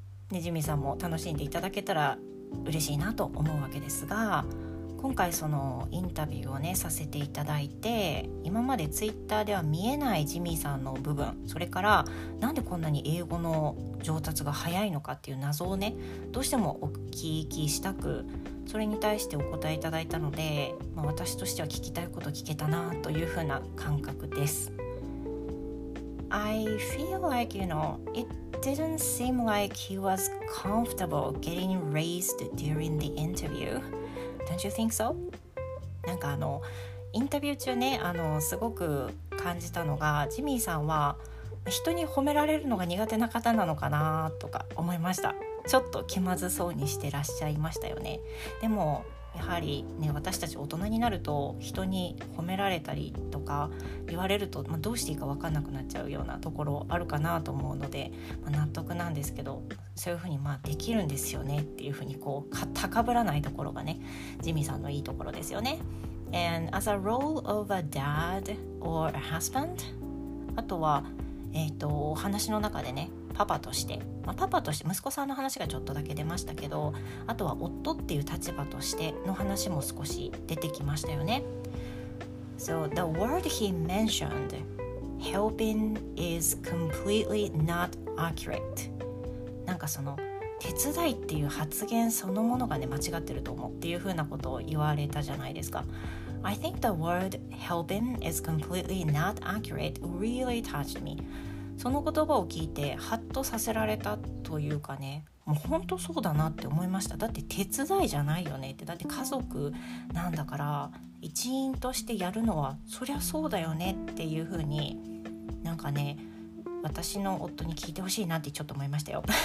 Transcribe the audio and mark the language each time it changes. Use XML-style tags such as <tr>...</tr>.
<ja>ね、ジミーさんも楽しんでいただけたら嬉しいなと思うわけですが、今回そのインタビューをねさせていただいて、今までツイッターでは見えないジミーさんの部分、それからなんでこんなに英語の上達が早いのかっていう謎をね、どうしてもお聞きしたく、それに対してお答えいただいたので、まあ、私としては聞きたいこと聞けたなというふうな感覚です。</ja> <en>I feel like, you know, it didn't seem like he was comfortable getting raised during the interviewDon't you think so?</en> <ja>なんかインタビュー中ね、すごく感じたのが、ジミーさんは人に褒められるのが苦手な方なのかなとか思いました。ちょっと気まずそうにしてらっしゃいましたよね。でもやはりね、私たち大人になると人に褒められたりとか言われると、まあ、どうしていいか分かんなくなっちゃうようなところあるかなと思うので、まあ、納得なんですけど、そういうふうにまあできるんですよねっていうふうにこう高ぶらないところがね、ジミーさんのいいところですよね。</ja> <en>And as a role of a dad or a husband、</en> <ja>あとはお話の中でね、パパとして、まあ、パパとして息子さんの話がちょっとだけ出ましたけど、あとは夫っていう立場としての話も少し出てきましたよね。</ja> <en>So the word he mentioned, helping, is completely not accurate.</en> <ja>なんかその手伝いっていう発言そのものがね、間違ってると思うっていうふうなことを言われたじゃないですか。</ja> <en>I think the word helping is completely not accurate really touched me.</en> <ja>その言葉を聞いてハッとさせられたというかね、もう本当そうだなって思いました。だって手伝いじゃないよねって、だって家族なんだから一員としてやるのはそりゃそうだよねっていう風に、なんかね、私の夫に聞いてほしいなってちょっと思いましたよ。</ja>